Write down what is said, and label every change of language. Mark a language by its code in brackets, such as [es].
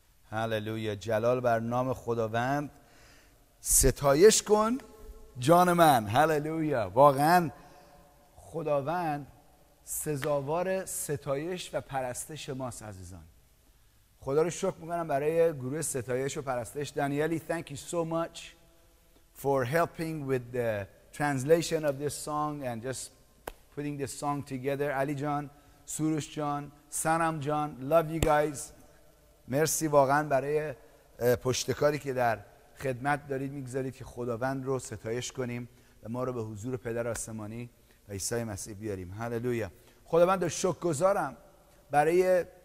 [fa] هللویا، جلال بر نام خداوند، ستایش کن جان من. هللویا، واقعا خداوند سزاوار ستایش و پرستش ماست عزیزان. خدا رو شکر میکنم برای گروه ستایش و پرستش. [en] دانیلی، thank you so much for helping with the translation of this song and just putting this song together. [fa] علی جان، سروش جان، سنم جان، [en] love you guys. [fa] مرسی واقعا برای پشتکاری که در خدمت دارید میگذارید که خداوند رو ستایش کنیم و ما رو به حضور پدر آسمانی و عیسی مسیح بیاریم. هللویا. خداوند رو شکرگزارم برای